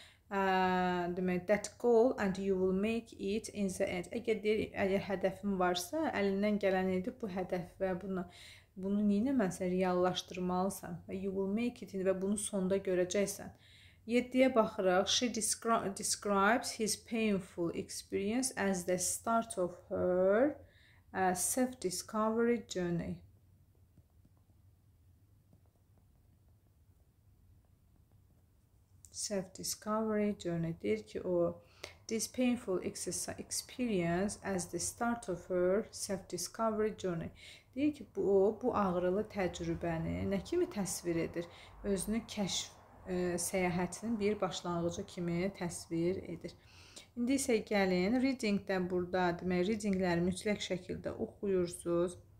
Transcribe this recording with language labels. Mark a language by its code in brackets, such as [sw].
[az] Demək, [en] that goal and you will make it in the end. [az] Əgər hədəfim varsa, əlindən gələn edib bu hədəf və bunu niyə məsə reallaşdırmalısan və [en] you will make it in, [az] və bunu sonda görəcəksən. 7-yə baxıraq. [en] She describes his painful experience as the start of her self-discovery journey. Self-discovery journey. [az] Deyir ki, o, [en] this painful experience as the start of her self-discovery journey. [az] Deyir ki, bu, o, bu ağrılı təcrübəni nə kimi təsvir edir? Özünü kəşf səyahətinin bir başlanğıcı kimi təsvir edir. İndi isə gəlin, reading də burada, demək, readingləri mütləq şəkildə oxuyursunuz.